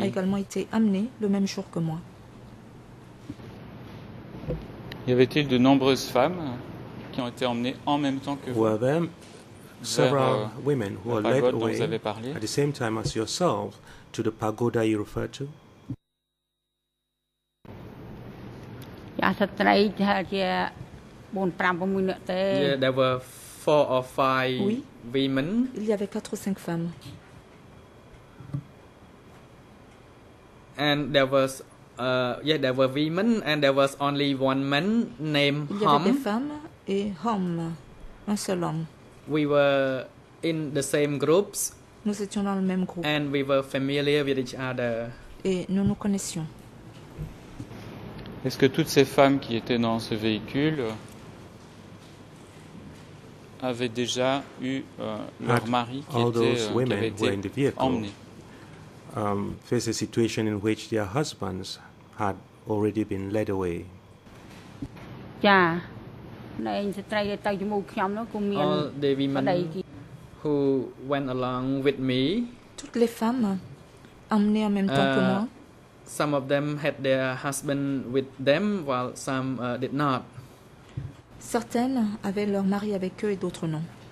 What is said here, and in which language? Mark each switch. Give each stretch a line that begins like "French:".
French: A également été amenée le même jour que moi. Y avait-il de nombreuses femmes qui ont été emmenées en même temps que vous?
English: Were there several women who were led away at the same time as yourself to the pagoda you refer to? Yeah, there were four or five women.
French: Il y avait 4 ou 5 femmes.
English: And there was there were women and there was only one man named
French: Hom. Il y avait des femmes et Hom, un seul homme.
English: We were in the same groups.
French: Nous étions dans le même groupe.
English: And we were familiar with each other.
French: Et nous nous connaissions. Est-ce que toutes ces femmes qui étaient dans ce véhicule avaient déjà eu leur mari qui avait été emmené?
English: Face a situation in which their husbands had already been led away. All the women who went along with me.
French: Toutes les femmes emmenées en même temps que moi.
English: Some of them had their husband with them, while some did not.
French: Certaines avaient leur mari avec eux et d'autres non.